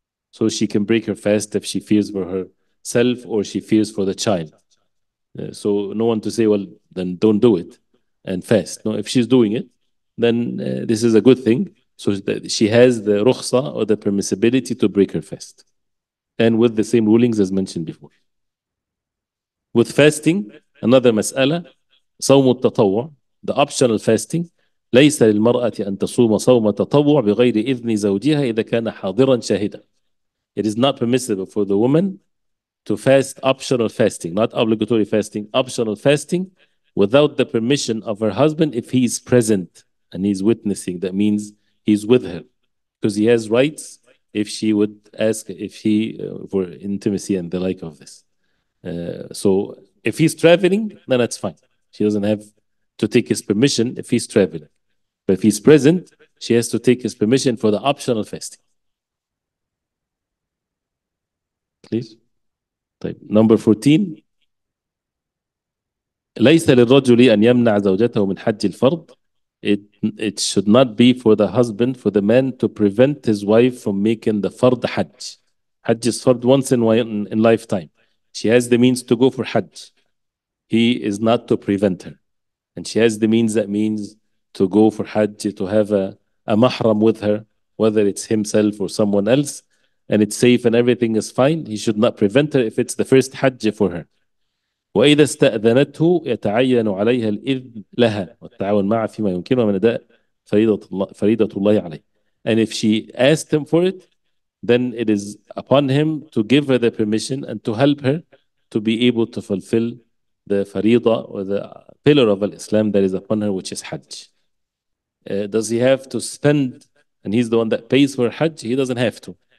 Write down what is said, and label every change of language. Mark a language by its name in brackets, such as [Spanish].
[English] So she can break her fast if she fears for herself or she fears for the child. So no one to say, well, then don't do it and fast. No, if she's doing it, then this is a good thing. So that she has the rukhsa or the permissibility to break her fast. And with the same rulings as mentioned before. With fasting, another mas'ala, [Arabic] صوم التطوع, [English] the optional fasting, [Arabic] ليس للمرأة أن تصوم صوم التطوع بغير إذن زوجها إذا كان حاضرا شاهدا. [English] It is not permissible for the woman to fast optional fasting, not obligatory fasting, optional fasting, without the permission of her husband if he is present and he's witnessing. That means he's with her, because he has rights if she would ask, if he for intimacy and the like of this. So if he's traveling, then that's fine. She doesn't have to take his permission if he's traveling. But if he's present, she has to take his permission for the optional fasting. Please. [Arabic] طيب. [English] Number 14. [Arabic] ليس للرجل أن يمنع زوجته من حج الفرض. [English] It should not be for the husband, for the man, to prevent his wife from making the fard hajj. Hajj is fard once in lifetime. She has the means to go for hajj. He is not to prevent her. And she has the means, that means to go for hajj, to have a mahram with her, whether it's himself or someone else, and it's safe and everything is fine. He should not prevent her if it's the first hajj for her. [Arabic] وإذا استأذنته يتعين عليها الإذن لها والتعاون معه فيما يمكنه من أداء فريضة الله عليه. [English] And if she asked him for it, then it is upon him to give her the permission and to help her to be able to fulfill the fariḍa or the pillar of Islam that is upon her, which is Hajj. Does he have to spend, and he's the one that pays for Hajj? He doesn't have to.